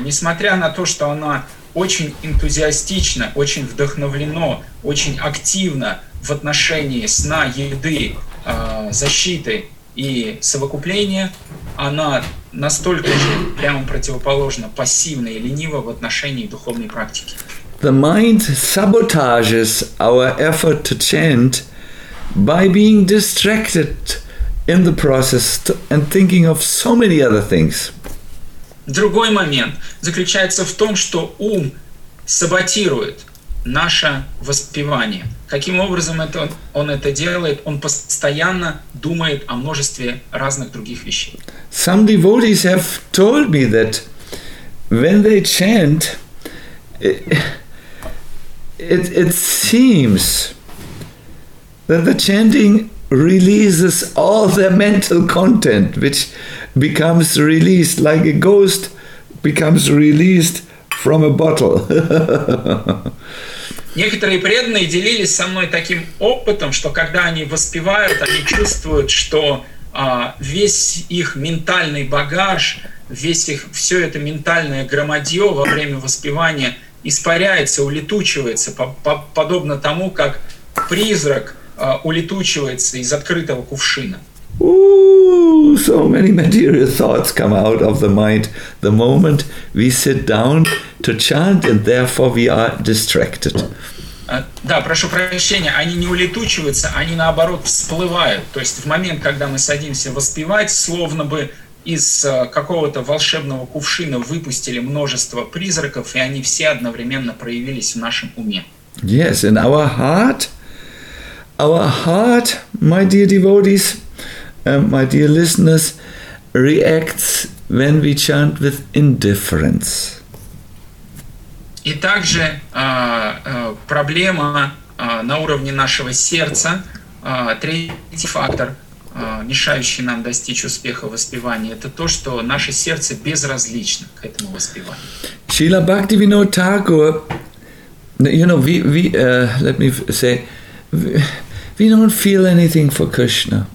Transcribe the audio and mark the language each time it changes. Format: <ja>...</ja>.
<ru>Несмотря на то, что оно очень энтузиастично, очень вдохновлено, очень активно в отношении сна, еды, защиты и совокупления, она настолько же прямо противоположно пассивна и ленива в отношении духовной практики.</ru> <en>The mind sabotages our effort to chant by being distracted in the process and thinking of so many other things.</en> <ru>Другой момент заключается в том, что ум саботирует наше воспевание. Каким образом это он это делает? Он постоянно думает о множестве разных других вещей.</ru> <en>Some devotees have told me that when they chant, it seems that the chanting releases all their mental content, which becomes released like a ghost becomes released from a bottle.</en> <ru>Некоторые преданные делились со мной таким опытом, что когда они воспевают, они чувствуют, что весь их ментальный багаж, весь их все это ментальное громадье во время воспевания испаряется, улетучивается, подобно тому, как призрак улетучивается из открытого кувшина.</ru> <en>So many material thoughts come out of the mind the moment we sit down to chant, and therefore we are distracted.</en> <ru>Да, прошу прощения, они не улетучиваются, они наоборот всплывают. То есть в момент, когда мы садимся воспевать, словно бы из какого-то волшебного кувшина выпустили множество призраков, и они все одновременно проявились в нашем уме.</ru> <en>Yes, in our heart, my dear devotees, my dear listeners, reacts when we chant with indifference.</en> <ru>И также проблема на уровне нашего сердца, третий фактор, мешающий нам достичь успеха в воспевании, это то, что наше сердце безразлично к этому воспеванию.</ru> <en>Srila Bhaktivinoda Thakur, you know, we don't feel anything for Krishna.</en>